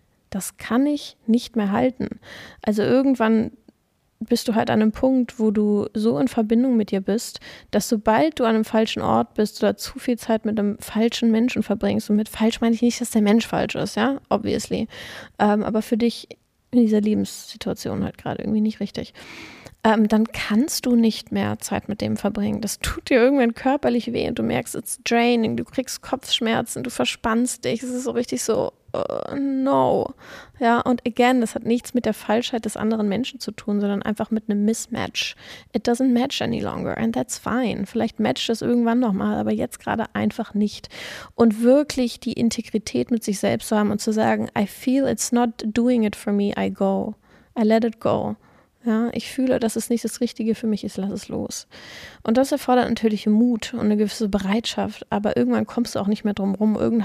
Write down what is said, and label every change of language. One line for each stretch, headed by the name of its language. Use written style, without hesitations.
German: Das kann ich nicht mehr halten. Also irgendwann bist du halt an einem Punkt, wo du so in Verbindung mit dir bist, dass sobald du an einem falschen Ort bist oder zu viel Zeit mit einem falschen Menschen verbringst, und mit falsch meine ich nicht, dass der Mensch falsch ist, ja, obviously, aber für dich in dieser Lebenssituation halt gerade irgendwie nicht richtig, dann kannst du nicht mehr Zeit mit dem verbringen. Das tut dir irgendwann körperlich weh und du merkst,
English: it's draining,
German: du kriegst Kopfschmerzen, du verspannst dich, es ist so richtig so, no. Ja, und again, das hat nichts mit der Falschheit des anderen Menschen zu tun, sondern einfach mit einem Mismatch.
English: It doesn't match any longer and that's fine.
German: Vielleicht matcht es irgendwann nochmal, aber jetzt gerade einfach nicht. Und wirklich die Integrität mit sich selbst zu haben und zu sagen,
English: I feel it's not doing it for me, I go. I let it go.
German: Ja, ich fühle, dass es nicht das Richtige für mich ist, lass es los. Und das erfordert natürlich Mut und eine gewisse Bereitschaft, aber irgendwann kommst du auch nicht mehr drum rum.